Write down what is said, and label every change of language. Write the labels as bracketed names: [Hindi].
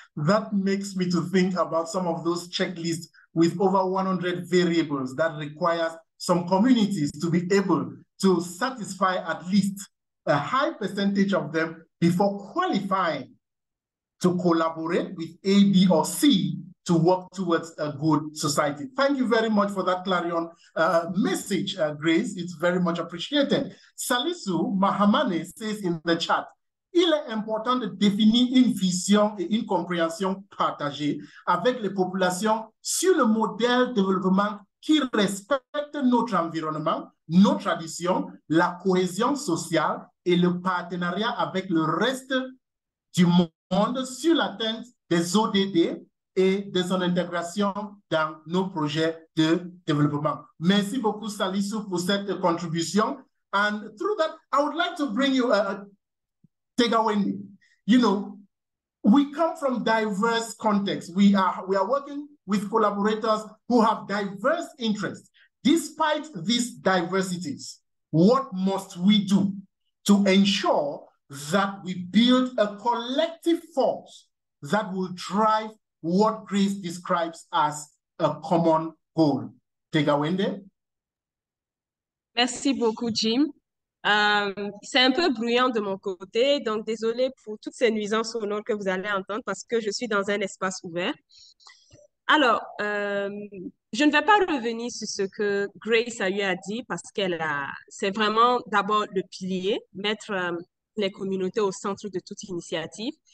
[English] That makes me to think about some of those checklists with over 100 variables that requires some communities to be able to satisfy at least a high percentage of them before qualifying to collaborate with A, B, or C to work towards a good society. Thank you very much for that clarion message, Grace. It's very much appreciated. Salisu Mahamane says in the chat, [French] il est important de définir une vision et une compréhension partagée avec les populations sur le modèle de développement qui respecte notre environnement, nos traditions, la cohésion sociale et le partenariat avec le reste du monde sur l'atteinte des ODD et de son intégration dans nos projets de développement. Merci beaucoup, Salisu, pour cette contribution. [English] And through that, I would like to bring you a takeaway. You know, we come from diverse contexts. We are working with collaborators who have diverse interests. Despite these diversities, what must we do to ensure that we build a collective force that will drive what Grace describes as a common goal? Tega Wende. [French] Merci beaucoup, Jim. C'est un peu bruyant de mon côté, donc désolé pour toutes ces nuisances sonores que vous allez entendre parce que je suis dans un espace ouvert. Alors, je ne vais pas revenir sur ce que Grace a eu à dire parce qu'elle a, c'est vraiment d'abord le pilier, mettre les communautés au centre de toute initiative.